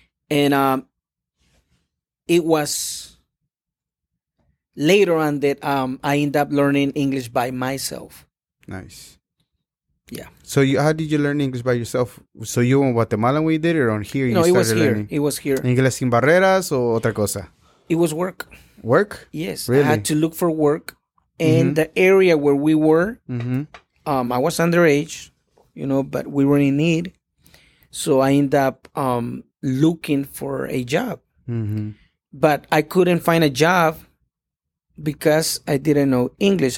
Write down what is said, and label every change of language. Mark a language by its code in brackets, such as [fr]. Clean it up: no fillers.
[en] And it was later on that I ended up learning English by myself. Nice. Yeah. So how did you learn English by yourself? So you were in Guatemala when you did it, or on here? No, it was here. Learning? It was here. [es] Inglés sin barreras o otra cosa? [en] It was work. Work? Yes. Really? I had to look for work. And the area where we were, I was underage, you know, but we were in need. So I ended up looking for a job. But I couldn't find a job because I didn't know English.